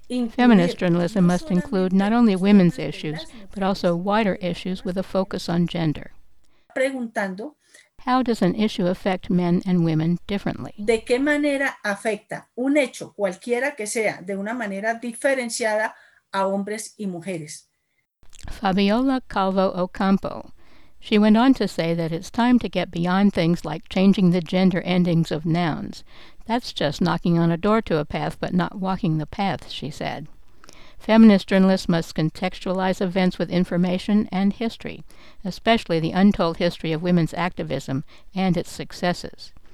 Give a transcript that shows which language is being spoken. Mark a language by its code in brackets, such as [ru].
[en] Feminist journalism must include not only women's issues, but also wider issues with a focus on gender. How does an issue affect men and women differently? [es] ¿De qué manera afecta un hecho, cualquiera que sea, de una manera diferenciada a hombres y mujeres? [en] Fabiola Calvo Ocampo. She went on to say that it's time to get beyond things like changing the gender endings of nouns. That's just knocking on a door to a path, but not walking the path, she said. Feminist journalists must contextualize events with information and history, especially the untold history of women's activism and its successes.